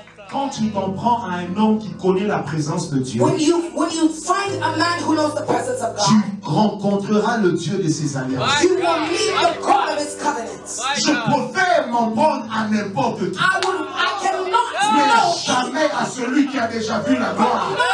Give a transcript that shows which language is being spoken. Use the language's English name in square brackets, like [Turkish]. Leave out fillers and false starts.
[French] Quand tu t'en prends à un homme qui connaît la présence de Dieu, [English] when you find a man who knows the presence of God, [French] tu rencontreras le Dieu de ses alliances. [English] You will meet the God of his covenants. [French] Je préfère m'en prendre à n'importe qui. [English] I cannot [French] mais jamais à celui qui a déjà vu la gloire.